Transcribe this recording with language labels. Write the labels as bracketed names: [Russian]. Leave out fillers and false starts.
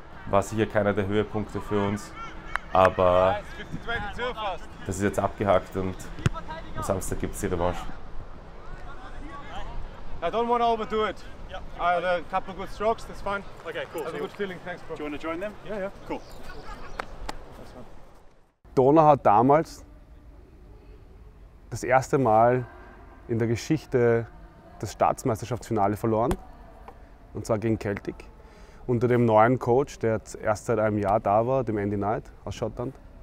[German] War sicher keiner der Höhepunkte für uns. Aber das ist jetzt abgehakt und am Samstag gibt es die Revanche. [English] I don't want to overdo it. I had a couple of good strokes, that's fine. Okay, cool. Have a good feeling, thanks bro. Do you want to join them? Yeah, yeah. Cool. [German] Donau hat damals das erste Mal in der Geschichte das Staatsmeisterschaftsfinale verloren. Und zwar gegen Celtic. Unter dem neuen Coach, der erst seit einem Jahr da war, dem Andy Knight aus Schottland.